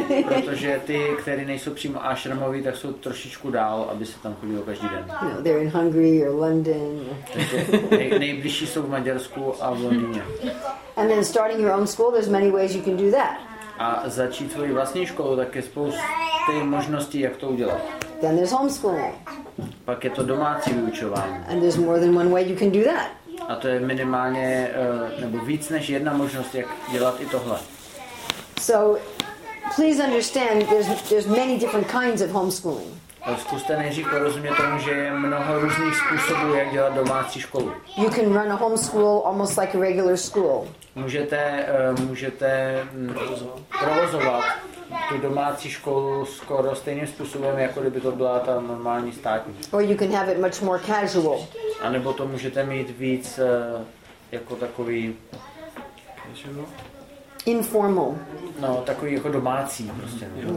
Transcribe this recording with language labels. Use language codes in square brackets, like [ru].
[cs] Protože ty, které nejsou přímo ašramoví, tak jsou trošičku dál, aby se tam chodilo každý den. [en] No, they're in Hungary or London. [cs] Nejbližší jsou v Maďarsku a v Londýně. [en] And then starting your own school, there's many ways you can do that. [cs] A začít svou vlastní školu, tak je spousty možností, jak to udělat. [en] Then there's homeschooling. [cs] Pak je to domácí vyučování. [en] And there's more than one way you can do that. [cs] A to je minimálně nebo víc než jedna možnost, jak dělat i tohle. [en] So please understand there's many different kinds of homeschooling. [cs] Zkuste nejdřív porozumět tomu, že je mnoho různých způsobů, jak dělat domácí školu. [en] You can run a homeschool almost like a regular school. [cs] Můžete provozovat tu domácí školu skoro stejným způsobem, jako kdyby to byla ta normální státní. [en] Or you can have it much more casual. [cs] A nebo to můžete mít víc jako takový [en] informal. [cs] No, takový jako domácí prostě.